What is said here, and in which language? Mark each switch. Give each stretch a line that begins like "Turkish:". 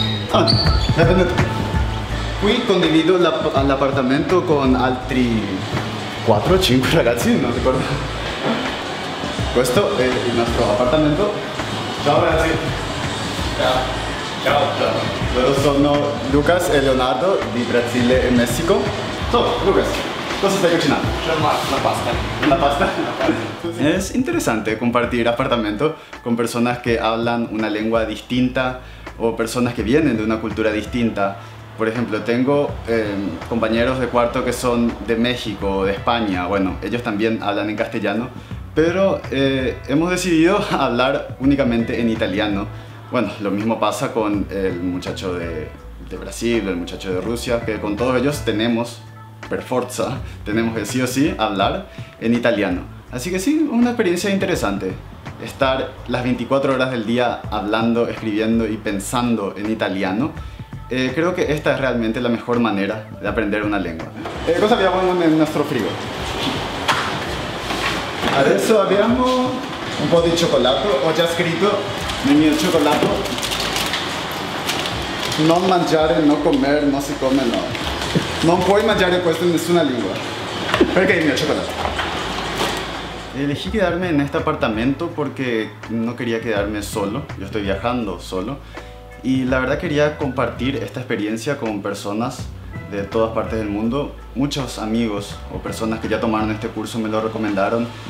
Italian: Ah, benvenuto. Qui condivido l'appartamento con altri 4 o 5 ragazzi, non ricordo. Questo è il nostro appartamento. Ciao ragazzi. Ciao. Ciao, ciao. Loro sono Lucas e Leonardo di Brasile e Messico. So, Lucas, cosa stai cucinando? La pasta.
Spanish: Es interesante compartir apartamento con personas que hablan una lengua distinta o personas que vienen de una cultura distinta. Por ejemplo, tengo compañeros de cuarto que son de México o de España. Bueno, ellos también hablan en castellano, pero hemos decidido hablar únicamente en italiano. Bueno, lo mismo pasa con el muchacho de Brasil, el muchacho de Rusia, que con todos ellos tenemos,
Italian: per forza,
Spanish: tenemos que sí o sí hablar en italiano. Así que sí, una experiencia interesante. Estar las 24 horas del día hablando, escribiendo y pensando en italiano, creo que esta es realmente la mejor manera de aprender una lengua. ¿Cosa habíamos en nuestro frigo?
Italian: Adesso abbiamo un po' di cioccolato, ho già scritto. Nel mio cioccolato non mangiare,
Spanish: non comer,
Italian: non si come, no. Non puoi mangiare questo in nessuna lingua. Perché il mio cioccolato?
Spanish: Elegí quedarme en este apartamento porque no quería quedarme solo. Yo estoy viajando solo. Y la verdad quería compartir esta experiencia con personas de todas partes del mundo. Muchos amigos o personas que ya tomaron este curso me lo recomendaron.